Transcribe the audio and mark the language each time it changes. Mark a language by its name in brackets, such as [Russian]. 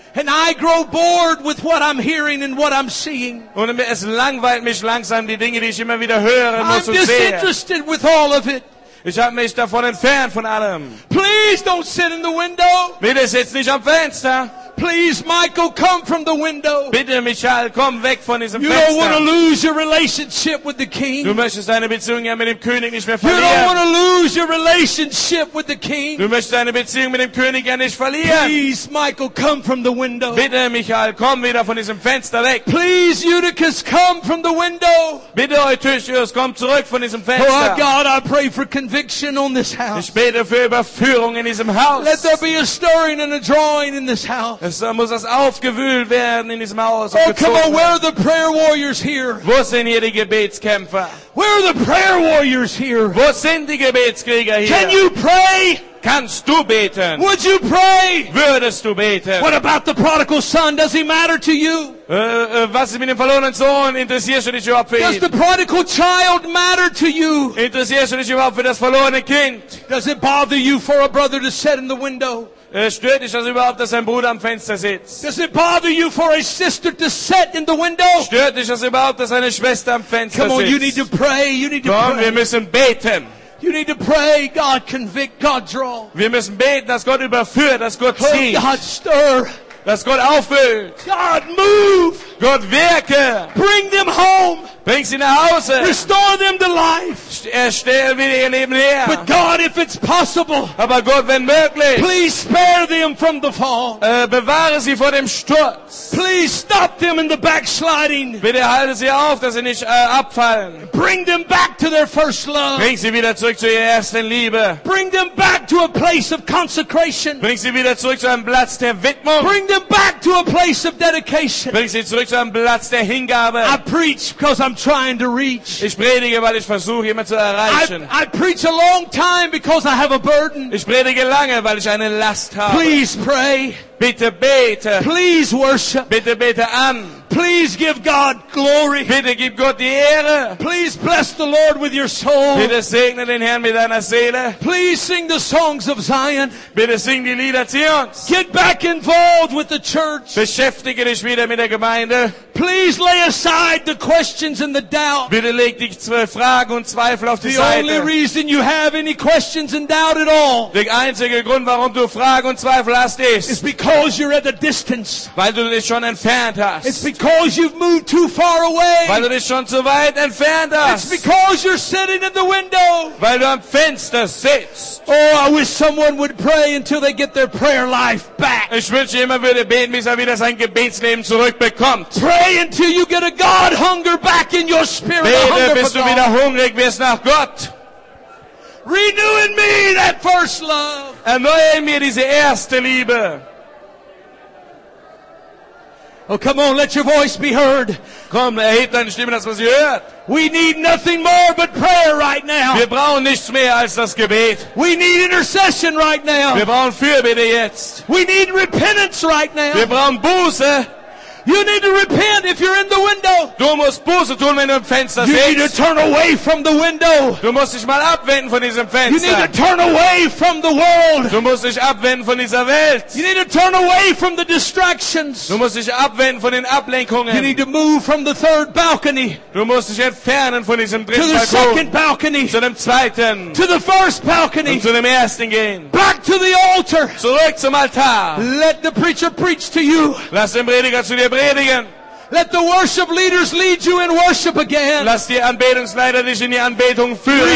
[English] And I grow bored with what I'm hearing and what I'm seeing. [German] Und es langweilt mich langsam die Dinge, die ich immer wieder höre und sehe. [English] I'm disinterested with all of it. [German] Ich habe mich davon entfernt von allem. [English] Please don't sit in the window. [German] Bitte sitz nicht am Fenster. [English] Please, Michael, come from the window. [German] Bitte, Michael, komm weg von diesem [English] you [German] Fenster. [English] You don't want to lose your relationship with the King. [German] Du möchtest deine Beziehung ja mit dem König nicht mehr verlieren. [English] You don't want to lose your relationship with the King. [German] Du möchtest deine Beziehung mit dem König ja nicht verlieren. [English] Please, Michael, come from the window. [German] Bitte, Michael, komm wieder von diesem Fenster weg. [English] Please, Eutychus, come from the window. [German] Bitte, Eutychus, komm zurück von diesem Fenster. [English] Oh, our God, I pray for conviction on this house. [German] Ich bete für Überführung in diesem Haus. [English] Let there be a stirring and a drawing in this house. [German] Es muss das aufgewühlt werden in diesem Haus. [English] Oh, come on, where are the prayer warriors here? [German] Wo sind hier die Gebetskämpfer? [English] Where are the prayer warriors here? [German] Wo sind die Gebetskrieger hier? [English] Can you pray? [German] Kannst du beten? [English] Would you pray? [German] Würdest du beten? [English] What about the prodigal son? Does he matter to you? [German] Was ist mit dem verlorenen Sohn? Interessierst du dich überhaupt für ihn? [English] Does the prodigal child matter to you? [German] Interessierst du dich überhaupt für das verlorene Kind? [English] Does it bother you for a brother to sit in the window? [German] Stört dich das überhaupt, dass ein Bruder am Fenster sitzt? [English] Does it bother you for a sister to sit in the window? [German] Stört dich das überhaupt, dass eine Schwester am Fenster [English] Come on, [German] sitzt? [English] You need to pray. You need to [German] Komm, [English] pray. [German] Wir müssen beten. [English] You need to pray. God convict. God draw. [German] Wir müssen beten, dass Gott überführt, dass Gott zieht. [English] Oh, God stir. [German] Dass Gott auffüllt. [English] God move. [German] Gott wirke. [English] Bring them home. [German] Bring sie nach Hause. [English] Restore them to life. [German] Erstell wieder ihr Leben her. [English] But God, if it's possible. [German] Aber Gott, wenn möglich. [English] Please spare them from the fall. [German] Bewahre sie vor dem Sturz. [English] Please stop them in the backsliding. [German] Bitte halte sie auf, dass sie nicht abfallen. [English] Bring them back to their first love. [German] Bring sie wieder zurück zu ihrer ersten Liebe. [English] Bring them back to a place of consecration. [German] Bring sie wieder zurück zu einem Platz der Widmung. [English] Bring them back to a place of dedication. [German] Bring sie zurück zu einem Platz der Hingabe. [English] I preach because I'm trying to reach. [German] Ich predige, weil ich versuche, jemanden zu erreichen. [English] I preach a long time because I have a burden. [German] Ich predige lange, weil ich eine Last habe. [English] Please pray. [German] Bitte bete. [English] Please worship. [German] Bitte bete an. [English] Please give God glory. [German] Bitte gib Gott die Ehre. [English] Please bless the Lord with your soul. [German] Bitte segne den Herrn mit deiner Seele. [English] Please sing the songs of Zion. [German] Bitte sing die Lieder Zions. [English] Get back involved with the church. [German] Beschäftige dich wieder mit der Gemeinde. [English] Please lay aside the questions and the doubt. [German] Bitte leg die Fragen und Zweifel auf die [English] the [German] Seite. [English] The only reason you have any questions and doubt at all. [German] Der einzige Grund, warum du Fragen und Zweifel hast, ist. [English] Is because you're at a distance. [German] Weil du dich schon entfernt hast. [English] It's because you've moved too far away. [German] Weil du dich schon zu weit entfernt hast. [English] It's because you're sitting in the window. [German] Weil du am Fenster sitzt. [English] Oh, I wish someone would pray until they get their prayer life back. [German] Ich wünsche, jemand würde beten, bis er wieder sein Gebetsleben zurückbekommt. [English] Pray until you get a God hunger back in your spirit. [German] Bete, bis du wieder hungrig wirst nach Gott. [English] Renew in me that first love. [German] Erneue in mir diese erste Liebe. [English] Oh, come on, let your voice be heard. [German] Komm, erhebt deine Stimme, dass man sie hört. [English] We need nothing more but prayer right now. [German] Wir brauchen nichts mehr als das Gebet. [English] We need intercession right now. [German] Wir brauchen Fürbitte jetzt. [English] We need repentance right now. [German] Wir brauchen Buße. [English] You need to repent if you're in the window. [German] Du musst Buße tun, wenn du im Fenster sitzt. [English] You need to turn away from the window. [German] Du musst dich mal abwenden von diesem Fenster. [English] You need to turn away from the world. [German] Du musst dich abwenden von dieser Welt. [English] You need to turn away from the distractions. [German] Du musst dich abwenden von den Ablenkungen. [English] You need to move from the third balcony. [German] Du musst dich entfernen von diesem dritten Balkon. [English] To the second balcony. [German] Zu dem zweiten. [English] To the first balcony. [German] Und zu dem ersten gehen. [English] Back to the altar. [German] Zurück zum Altar. [English] Let the preacher preach to you. [German] Lass den Prediger zu dir predigen. [English] Let the worship leaders lead you in worship again. [German] Lass die Anbetungsleiter dich in die Anbetung führen.